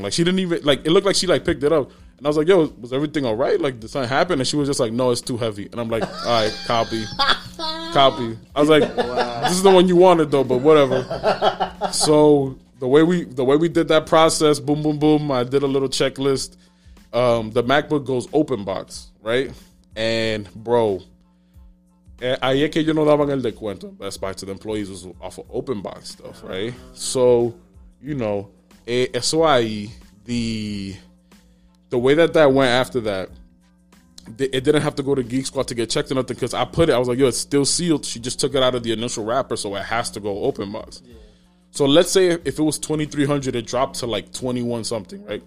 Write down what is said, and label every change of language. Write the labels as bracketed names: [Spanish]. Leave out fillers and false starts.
[English] Like, she didn't even, like, it looked like she, like, picked it up. And I was like, yo, was everything all right? Like, did something happen? And she was just like, no, it's too heavy. And I'm like, all right, copy. Copy. I was like, wow. This is the one you wanted, though, but whatever. So the way we did that process, boom, boom, boom, I did a little checklist. The MacBook goes open box. Right? And, bro, [Spanish] ahí es que yo no daban el descuento. [English] Best Buy to the employees was off of open box stuff, right? So, you know, [Spanish] eso ahí, [English] the way that went after that, it didn't have to go to Geek Squad to get checked or nothing, because I put it, I was like, yo, it's still sealed. She just took it out of the initial wrapper, so it has to go open box. Yeah. So let's say if it was 2,300, it dropped to like 21 something, right?